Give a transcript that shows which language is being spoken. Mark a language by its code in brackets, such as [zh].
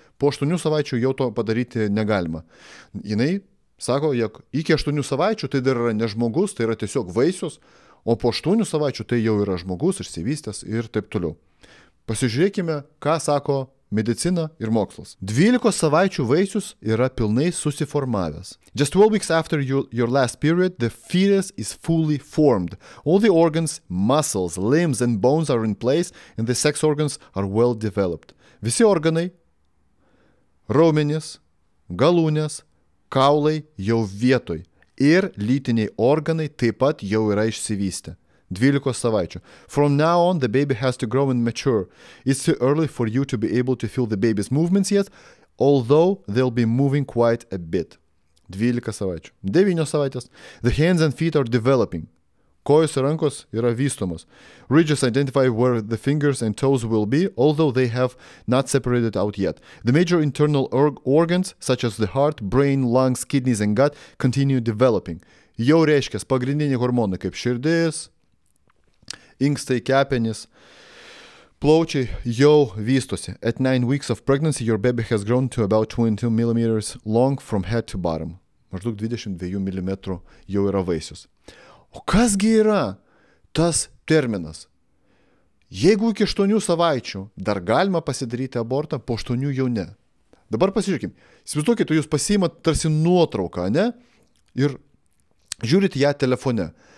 [lt] Po 8 savaičių jau to padaryti negalima. Jinai sako, jog iki 8 savaičių tai dar yra ne žmogus, tai yra tiesiog vaisius, o po 8 savaičių tai jau yra žmogus, išsivystęs ir taip toliau. Pasižiūrėkime, ką sako medicina ir mokslas. 12 savaičių vaisius yra pilnai susiformavęs. [en] Just 12 weeks after your last period, the fetus is fully formed. All the organs, muscles, limbs and bones are in place and the sex organs are well developed. [lt] Visi organai, raumenys, galūnės, kaulai jau vietoj ir lytiniai organai taip pat jau yra išsivystę. 12 savaičių. [en] From now on, the baby has to grow and mature. It's too early for you to be able to feel the baby's movements yet, although they'll be moving quite a bit. [lt] 12 savaičių. 9 savaitės. [en] The hands and feet are developing. [lt] Kojos ir rankos yra vystomos. [en] Ridges identify where the fingers and toes will be, although they have not separated out yet. The major internal organs, such as the heart, brain, lungs, kidneys and gut, continue developing. [lt] Jau reiškia, pagrindiniai hormonai kaip širdis, inkstai, kepenys, plaučiai jau vystosi. [en] At 9 weeks of pregnancy, your baby has grown to about 22 millimeters long from head to bottom. [lt] Maždaug 22 mm jau yra vaisius. O kasgi yra tas terminas? Jeigu iki 8 savaičių dar galima pasidaryti abortą, po 8 jau ne. Dabar pasižiūrėkime. Įsivaizduokite, jūs pasiimat tarsi nuotrauką, ne? Ir žiūrite ją telefone.